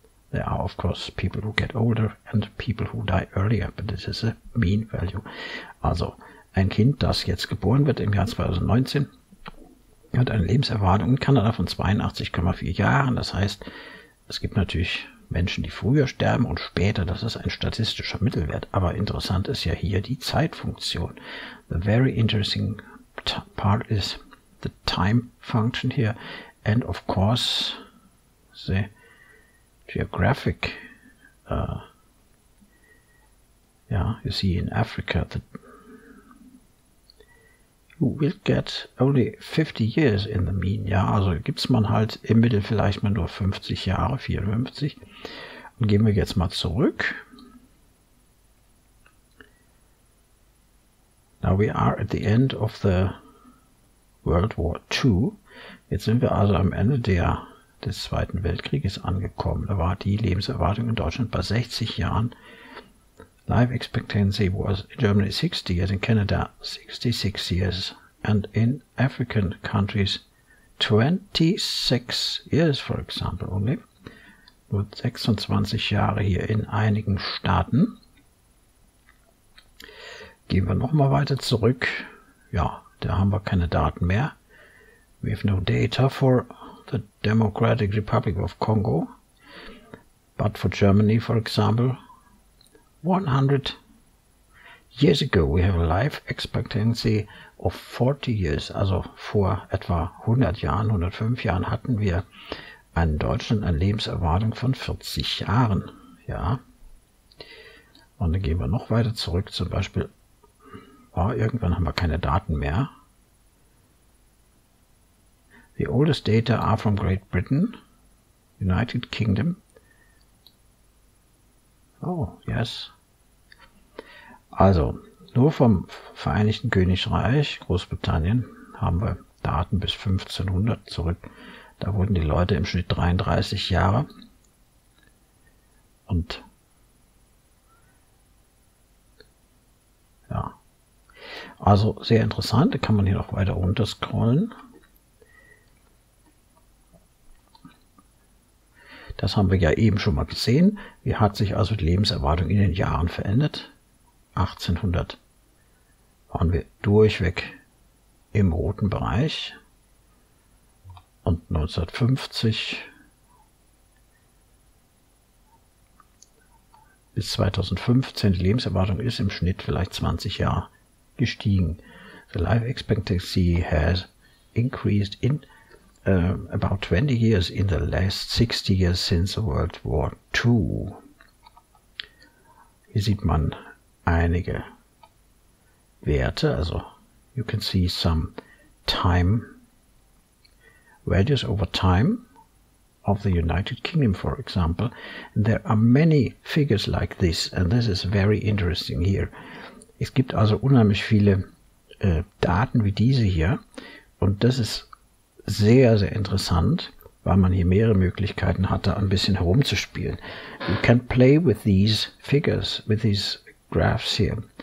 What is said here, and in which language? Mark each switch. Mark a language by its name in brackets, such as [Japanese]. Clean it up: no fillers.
[English] There are, of course, people who get older and people who die earlier, but this is a mean value. [German] Also, ein Kind, das jetzt geboren wird im Jahr 2019, hat eine Lebenserwartung in Kanada von 82,4 Jahren. Das heißt, es gibt natürlich Menschen, die früher sterben und später, das ist ein statistischer Mittelwert, aber interessant ist ja hier die Zeitfunktion. [English] The very interesting part is the time function here and of course the geographic. You see in Africa that you will get only 50 years in the mean. [German] Ja, also gibt's man halt im Mittel vielleicht mal nur 50 Jahre, 54. Und gehen wir jetzt mal zurück. [English] Now we are at the end of the World War II. [German] Jetzt sind wir also am Ende des Zweiten Weltkrieges angekommen. Da war die Lebenserwartung in Deutschland bei 60 Jahren. [English] Life expectancy was in Germany 60 years, in Canada 66 years, and in African countries 26 years, for example, only. [German] Nur 26 Jahre hier in einigen Staaten. Gehen wir nochmal weiter zurück. Ja, da haben wir keine Daten mehr. [English] We have no data for the Democratic Republic of Congo, but for Germany, for example, 100 years ago we have a life expectancy of 40 years. [German] Also vor etwa 100 Jahren, 105 Jahren hatten wir in Deutschland eine Lebenserwartung von 40 Jahren. Ja. Und dann gehen wir noch weiter zurück. Zum Beispiel, irgendwann haben wir keine Daten mehr. [English] The oldest data are from Great Britain, United Kingdom. Oh, yes. [German] Also, nur vom Vereinigten Königreich, Großbritannien, haben wir Daten bis 1500 zurück. Da wurden die Leute im Schnitt 33 Jahre. Und ja, also sehr interessant. Da kann man hier noch weiter runterscrollen. Das haben wir ja eben schon mal gesehen. Wie hat sich also die Lebenserwartung in den Jahren verändert? 1800 waren wir durchweg im roten Bereich und 1950 bis 2015, die Lebenserwartung ist im Schnitt vielleicht 20 Jahre gestiegen. [English] The life expectancy has increased in about 20 years in the last 60 years since World War II. [German] Hier sieht man einige Werte, also [English] you can see some time values over time of the United Kingdom, for example. And there are many figures like this, and this is very interesting here. [German] Es gibt also unheimlich viele Daten wie diese hier, und das ist sehr, sehr interessant, weil man hier mehrere Möglichkeiten hatte, ein bisschen herumzuspielen. [English] You can play with these figures, with these graphs here.